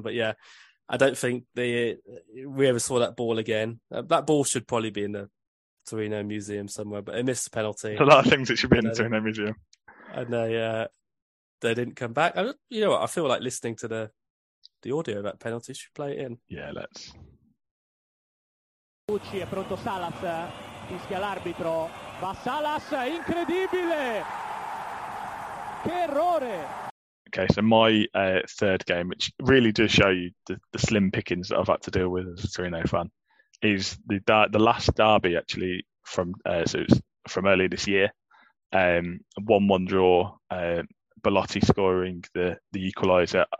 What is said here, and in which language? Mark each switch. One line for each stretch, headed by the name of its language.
English: But yeah, I don't think we ever saw that ball again. That ball should probably be in the Torino Museum somewhere, but it missed the penalty. A lot of things it should be in the Torino Museum. And they didn't come back. You know what? I feel like listening to the audio of that penalty. Should play it in. Yeah, let's.
Italian: Ucci è pronto Salas, fischia l'arbitro, va Salas, incredibile! Che errore!
English: Okay, so my third game, which really does show you the slim pickings that I've had to deal with as a Torino fan, is the last derby, actually, from earlier this year. 1-1 draw, Belotti scoring the equaliser.